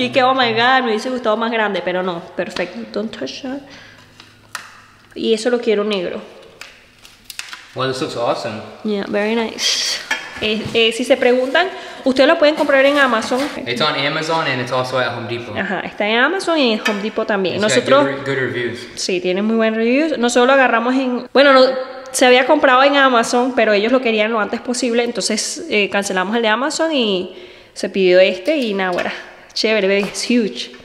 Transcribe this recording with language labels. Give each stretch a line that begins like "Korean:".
Spanish: Y que
English: oh my God,
Spanish: me hubiese gustado más grande, pero no. Perfecto.
English: Don't touch that.
Spanish: Y eso lo quiero negro.
English: Well, this looks awesome. Yeah, very nice.
Spanish: Si se preguntan, ustedes lo pueden comprar en Amazon.
English: It's on Amazon and it's also at Home Depot.
Spanish: Ajá, está en Amazon y en Home Depot también.
English: It's
Spanish: nosotros
English: got good reviews.
Spanish: Sí, tiene muy buen reviews. Nosotros lo agarramos en, bueno, no, se había comprado en Amazon, pero ellos lo querían lo antes posible, entonces cancelamos el de Amazon y se pidió este y nada, bueno, chévere, baby,
English: it's huge.